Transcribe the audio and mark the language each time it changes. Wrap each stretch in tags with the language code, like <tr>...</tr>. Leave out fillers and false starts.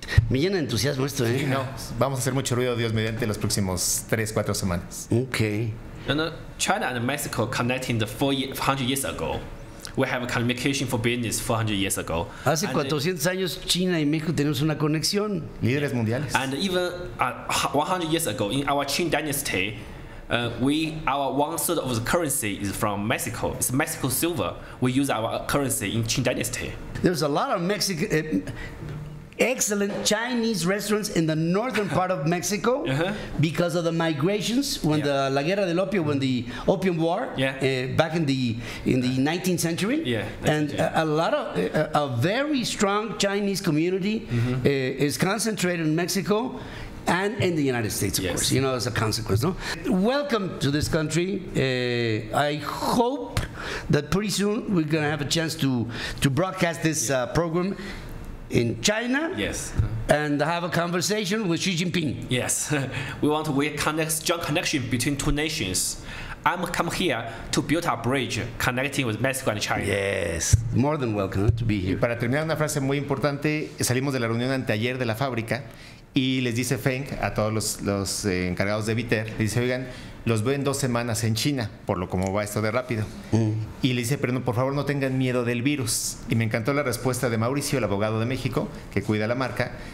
<es>Me llena de entusiasmo esto, ¿eh? No, vamos a hacer mucho ruido, Dios mediante, los próximos 3-4 semanas. Ok.</es> <en>China and Mexico connecting the 400 years ago. We have a communication for business 400 years ago.</en> <es>Hace 400 años China y México tenemos una conexión. Líderes mundiales.</es> <en>And even 100 years ago in our Qing dynasty, our 1/3 of the currency is from Mexico. It's Mexico silver. We use our currency in Qing dynasty. There's a lot of excellent Chinese restaurants in the northern part of Mexico because of the migrations when</en> <es>la guerra del opio,</es> <en>when the opium war back in the 19th century, a lot of a very strong Chinese community is concentrated in Mexico and in the United States, of course, you know, as a consequence. No, welcome to this country. I hope that pretty soon we're going to have a chance to broadcast this program in China, yes, and have a conversation with Xi Jinping. Yes, we want to connect strong connection between two nations. I'm come here to build a bridge connecting with Mexico and China. Yes, more than welcome to be here.</en> <es>Y para terminar, una frase muy importante: salimos de la reunión anteayer de la fábrica y les dice Feng a todos los encargados de Viter, les dice, oigan, los veo en 2 semanas en China, por lo como va esto de rápido. Y le dice, pero no, por favor, no tengan miedo del virus. Y me encantó la respuesta de Mauricio, el abogado de México, que cuida la marca.</es>